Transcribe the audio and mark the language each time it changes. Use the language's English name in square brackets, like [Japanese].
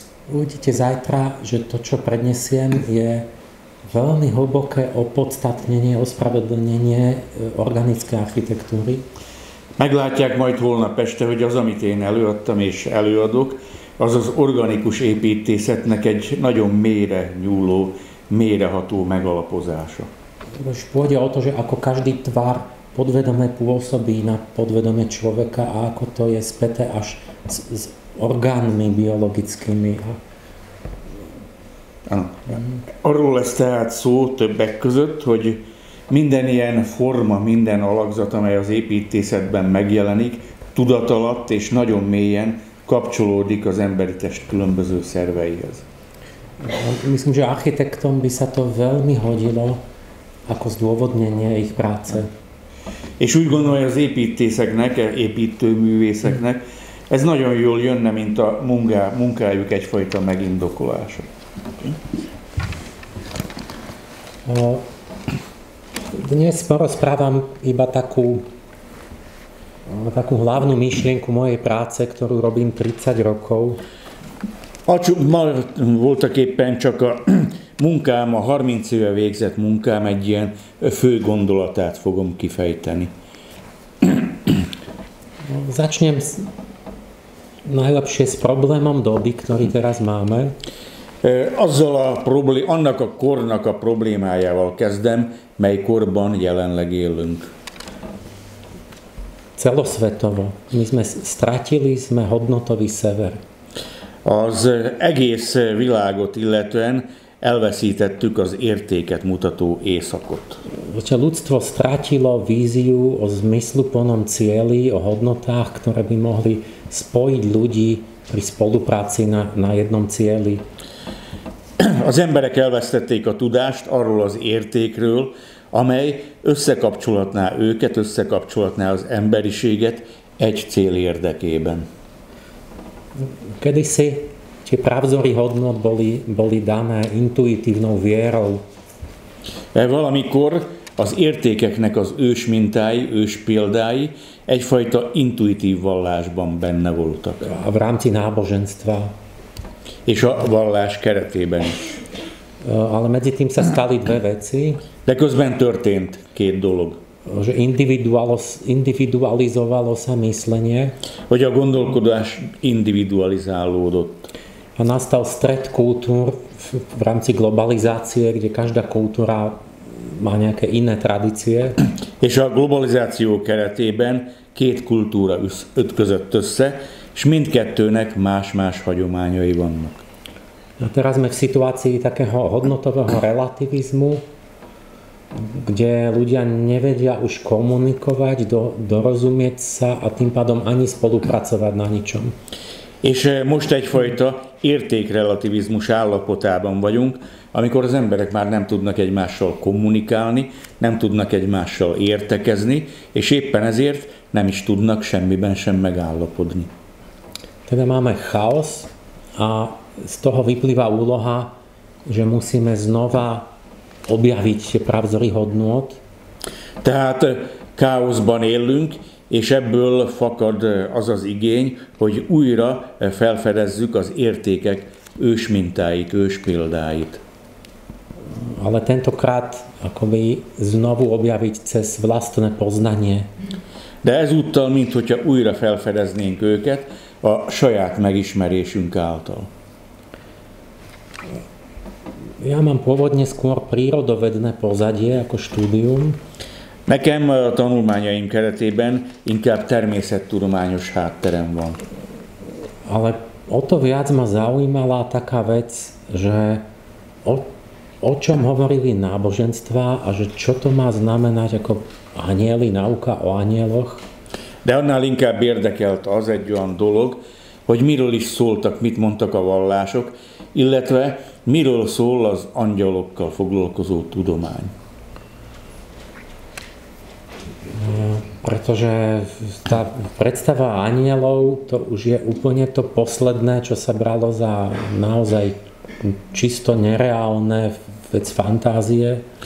[Slovak] Uvidíte zajtra, že to, čo prednesiem, je veľmi hlboké opodstatnenie, ospravedlnenie organické architektúry. [Hungarian] Meglátják majd holnap este, hogy az, amit én előadtam és előadok, az az organikus építészetnek egy nagyon mélyre nyúló, mélyreható megalapozása. [Slovak] Most pôjde o to, že ako každý tvar podvedome pôsobí na podvedome človeka a ako to je späté až s orgánmi biologickými. [Hungarian] Arról lesz tehát szó többek között, hogy minden ilyen forma, minden alakzat, amely az építészetben megjelenik, tudatalatt és nagyon mélyen kapcsolódik az emberi test különböző szerveihez. [Slovak] Myslím, že architektom by sa to veľmi hodilo ako zdôvodnenie ich práce. [Hungarian] És úgy gondolom, hogy az építészeknek, építőművészeknek ez nagyon jól jönne, mint a munkájuk egyfajta megindokolása. [Slovak] Dnes porozprávam iba takú hlavnú myšlienku mojej práce, ktorú robím 30 rokov. [Hungarian] A čo voltak éppen csak a munkám, a 30 éve végzett munkám egy ilyen fő gondolatát fogom kifejteni. [Slovak] Začnem najlepšie s problémom doby, ktorý teraz máme. [Hungarian] Azzal a annak a kornak a problémájával kezdem, mely korban jelenleg élünk. [Slovak] Celosvetovo. My sme stratili, sme hodnotový sever. [Hungarian] Az egész világot illetően elveszítettük az értéket mutató északot. [Slovak] Hogyha ľudstvo stratilo víziu o zmysluplnom cieli, o hodnotách, ktoré by mohli spojiť ľudí pri spolupráci na jednom cieli. [Hungarian] Az emberek elvesztették a tudást arról az értékről, amely összekapcsolatná őket, összekapcsolatná az emberiséget egy cél érdekében. [Slovak] Kedysi tie pravzory hodnot boli dané intuitívnou vierou. [Hungarian] Valamikor az értékeknek az ős mintái, ős példái egyfajta intuitív vallásban benne voltak. [Slovak] A v rámci náboženstva. [Hungarian] És a vallás keretében is. [Slovak] Ale medzi tým sa stali dve veci. [Hungarian] De közben történt két dolog. [Slovak] Že individualizovalo sa myslenie. [Hungarian] Hogy a gondolkodás individualizálódott. [Slovak] A nastal stret kultúr v rámci globalizácie, kde každá kultúra má nejaké iné tradície. [Hungarian] És a globalizáció keretében két kultúra ötközött össze, és mindkettőnek más-más hagyományai vannak. [Slovak] A teraz sme v situácii takého hodnotového relativizmu, kde ľudia nevedia už komunikovať, dorozumieť sa a tým pádom ani spolupracovať na ničom. [Hungarian] És most egyfajta értékrelativizmus állapotában vagyunk, amikor az emberek már nem tudnak egymással kommunikálni, nem tudnak egymással értekezni, és éppen ezért nem is tudnak semmiben sem megállapodni. [Slovak] Teda máme chaos a z toho vyplýva úloha, že musíme znova objaviť tie pravzory hodnot. [Hungarian] Tehát káoszban élünk, és ebből fakad az az igény, hogy újra felfedezzük az értékek ősmintáit, őspéldáit. [Slovak] Ale tentokrát akoby znovu objaviť cez vlastné poznanie. [Hungarian] De ezúttal, mint hogyha újra felfedeznénk őket a saját megismerésünk által. [Slovak] Ja mám pôvodne skôr prírodovedné pozadie ako štúdium. [Hungarian] Nekem a tanulmányaim keretében inkább természettudományos hátterem van. [Slovak] Ale o to viac ma zaujímala taká vec, že o čom hovorili náboženstva a že čo to má znamenať ako anieli, nauka o anieloch. [Hungarian] De annál inkább érdekelt az egy olyan dolog, hogy miről is szóltak, mit mondtak a vallások, illetve miről szól az angyalokkal foglalkozó tudomány. [Slovak] Pretože tá predstava anielov, to už je úplne to posledné, čo sa bralo za naozaj čisto nereálne vec fantázie.